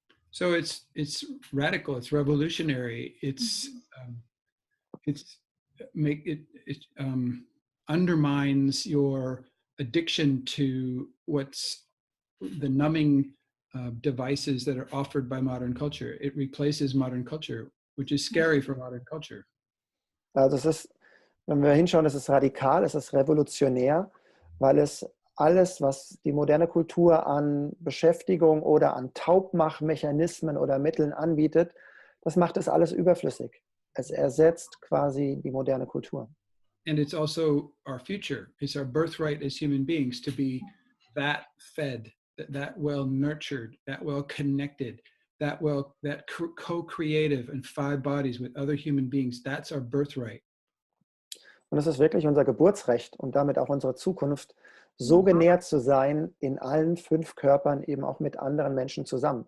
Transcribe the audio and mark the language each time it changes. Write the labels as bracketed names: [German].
[English] So it's radical, it's revolutionary, it undermines your addiction to what's the numbing devices that are offered by modern culture. It replaces modern culture, which is scary for modern culture. [German] Also es ist, wenn wir hinschauen, es ist radikal, es ist revolutionär, weil es alles, was die moderne Kultur an Beschäftigung oder an Taubmachmechanismen oder Mitteln anbietet, das macht es alles überflüssig. Es ersetzt quasi die moderne Kultur. [English] And it's also our future. It's our birthright as human beings to be that fed, that well nurtured, that well connected, that well, that co-creative in five bodies with other human beings. That's our birthright. [German] Und es ist wirklich unser Geburtsrecht und damit auch unsere Zukunft, so genährt zu sein in allen fünf Körpern, eben auch mit anderen Menschen zusammen.